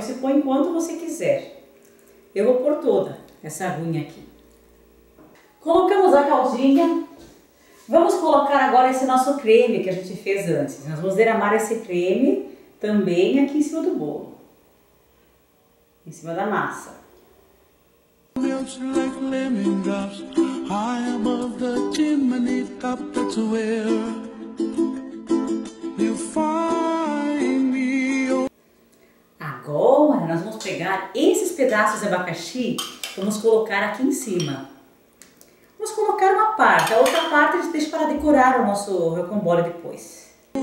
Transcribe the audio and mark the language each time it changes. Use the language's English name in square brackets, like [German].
[Portuguese] Você põe quanto você quiser. Eu vou pôr toda essa aguinha aqui. Colocamos a caldinha. Vamos colocar agora esse nosso creme que a gente fez antes. Nós vamos derramar esse creme também aqui em cima do bolo. Em cima da massa. [English] Like lemon drops high above the chimney top, that's where you find me. [Portuguese] Agora nós vamos pegar esses pedaços de abacaxi, vamos colocar aqui em cima. Vamos colocar uma parte, a outra parte a gente deixa para decorar o nosso rocambole depois.